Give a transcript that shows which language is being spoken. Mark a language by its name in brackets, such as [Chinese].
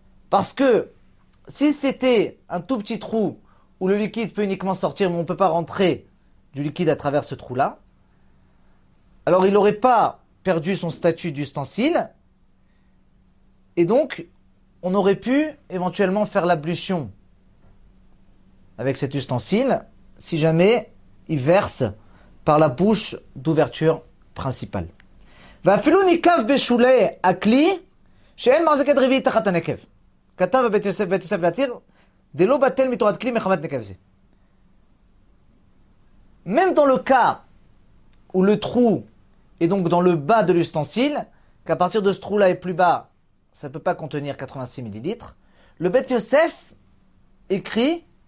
[French] Parce que si c'était un tout petit trou où le liquide peut uniquement sortir, mais on ne peut pas rentrer du liquide à travers ce trou-là, alors il n'aurait pas perdu son statut d'ustensile, et donc on aurait pu éventuellement faire l'ablution avec cet ustensile si jamais il verse par la bouche d'ouverture principale. [Hebrew] Va filou nikav beshule akli, she'en marzeked revi tachat hanekev. כתב בית יוסף, בית יוסף להתיר, זה לא בטל מתורת כלי מחמת נקב זה. [French] Même dans le cas où le trou est donc dans le bas de l'ustensile, qu'à partir de ce trou-là est plus bas, ça ne peut pas contenir 86 millilitres, le Bet Yosef écrit